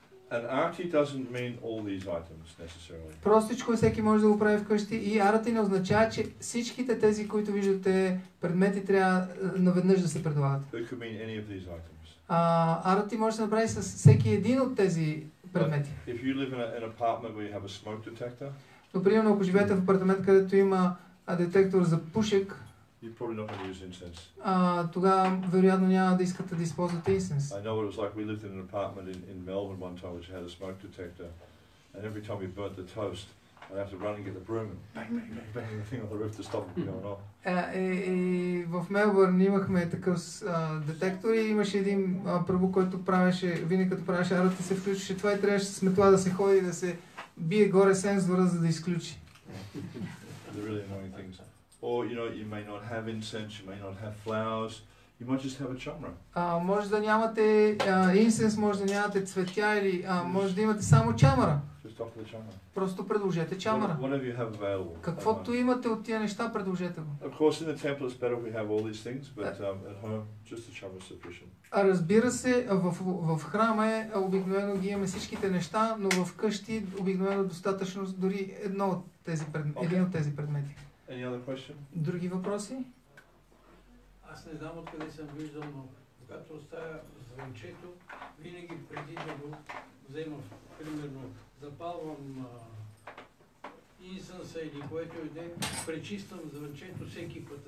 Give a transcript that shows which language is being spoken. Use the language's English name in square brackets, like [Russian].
[English] And arati doesn't mean all these items necessarily. [Bulgarian] Простичко всеки може да го прави вкъщи и arati не означава, че всичките тези, които виждате, предмети трябва наведнъж да се предлагат. [English] It could mean any of these items. [Bulgarian] Arati може да се направи с всеки един от тези предмети. [English] But if you live in an apartment where you have a smoke detector. [Bulgarian] Например, ако живеете в апартамент, където има детектор за пушек. [English] You probably not going to use incense. [Bulgarian] Тогава вероятно няма да искате да използвате инсенс. [English] I know what it was like. We lived in an apartment in Melbourne one time which had a smoke detector, and every time we burnt the toast, I'd have to run and get the broom and bang, bang, bang the thing on the roof to stop it going off. [Bulgarian] В Мелбърн имахме такъв детектор и имаше един пръбо, който правеше, винаги като правеше арата се включваше това и трябваше с метла да се ходи да се бие горе сензора, за да изключи. [English] The really annoying things. Or you know, you may not have incense, you may not have flowers, you might just have a chamra. [Bulgarian] Може да нямате инсенс, може да нямате цветя или може да имате само чамра. [English] Just offer the chamra. [Bulgarian] Просто предложете чамра. [English] Whatever you have available. [Bulgarian] Каквото имате от тия неща, предложете го. [English] Of course, in the temple it's better if we have all these things, but at home just the chamra is sufficient. [Bulgarian] Разбира се, в храма е обикновено ги имаме всичките неща, но в къщи обикновено достатъчно дори едно от тези един от тези предмети. [English] Any other question? [Bulgarian] Други въпроси? Аз не знам откъде съм виждал, но когато оставя звънчето, винаги преди да го взема, примерно запалвам инсенса или което и да е, пречиствам звънчето всеки път.